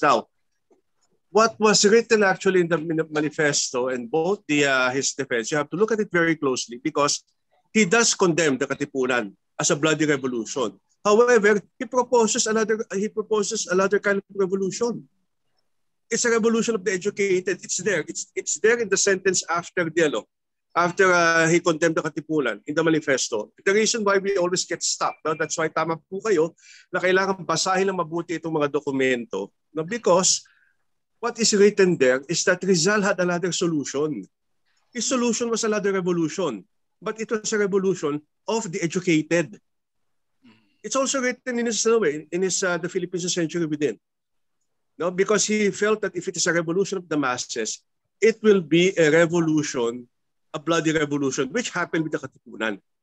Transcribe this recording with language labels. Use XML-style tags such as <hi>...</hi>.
<en>Now, what was written actually in the manifesto and both the his defense, you have to look at it very closely because he does condemn the Katipunan as a bloody revolution. However, he proposes another kind of revolution. It's a revolution of the educated. It's there. It's there in the sentence after Dialo, after he condemned the Katipunan in the manifesto. The reason why we always get stuck, no? That's why</en> <tl>tama po kayo na kailangan basahin ng mabuti itong mga dokumento.</tl> <en>No? Because what is written there is that Rizal had another solution. His solution was another revolution, but it was a revolution of the educated. It's also written in his way, in his The Philippines a Century Within. No, because he felt that if it is a revolution of the masses, it will be a revolution, a bloody revolution, which happened with the Katipunan.</en>